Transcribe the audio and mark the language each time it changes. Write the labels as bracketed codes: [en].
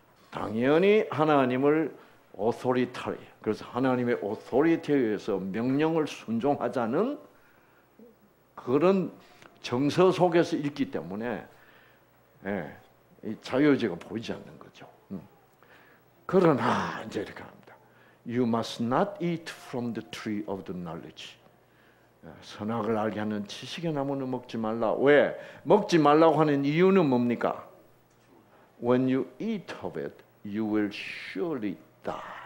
[ko] 당연히 하나님을 authority, 그래서 하나님의 authority에 의해서 명령을 순종하자는 그런 정서 속에서 읽기 때문에 예, 이 자유의지가 보이지 않는 거죠. 그러나 이제 이렇게 합니다. [en] You must not eat from the tree of the knowledge. [ko] 선악을 알게 하는 지식의 나무는 먹지 말라. 왜? 먹지 말라고 하는 이유는 뭡니까? [en] When you eat of it, you will surely die.